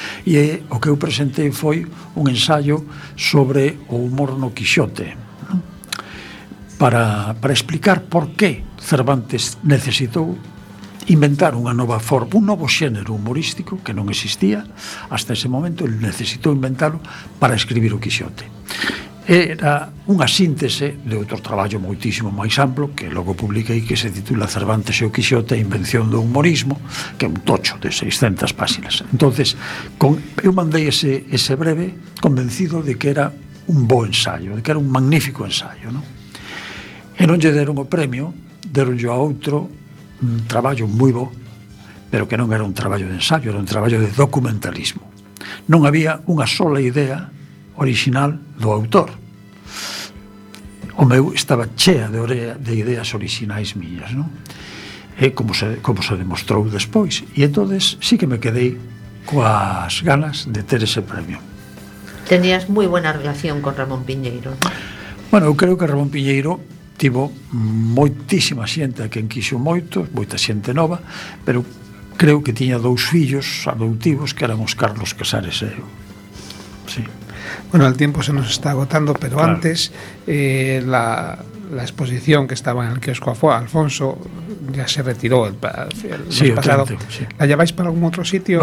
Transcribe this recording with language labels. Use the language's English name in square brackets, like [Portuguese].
[Galician] E o que eu presentei foi un ensaio sobre o humor no Quixote, non? Para explicar por que Cervantes necesitou inventar unha nova forma, un novo xénero humorístico que non existía hasta ese momento, ele necesitou inventalo para escribir o Quixote. Era unha síntese de outro traballo moitísimo máis amplo que logo publiquei, que se titula Cervantes e o Quixote, a invención do humorismo, que é un tocho de 600 páxinas. Entonces, eu mandei ese breve convencido de que era un bo ensaio, de que era un magnífico ensaio, non? E non lle deron o premio, deron yo a outro un traballo moi bo, pero que non era un traballo de ensaio, era un traballo de documentalismo. Non había unha sola idea original do autor. O meu estaba chea de ideas orixinais miñas, non? E como se demostrou despois. E entonces sí que me quedei coas ganas de ter ese premio. [Spanish] Tenías moi buena relación con Ramón Piñeiro. [Galician] Bueno, eu creo que Ramón Piñeiro tivo moitísima xente a quen quixo moito, moita xente nova, pero creo que tiña dous fillos adoptivos que éramos Carlos Casares e eu. [Spanish] Sí. Bueno, el tiempo se nos está agotando, pero claro. Antes, la exposición que estaba en el kiosco Alfonso ya se retiró el sí, mes pasado. Sí. ¿La lleváis para algún otro sitio?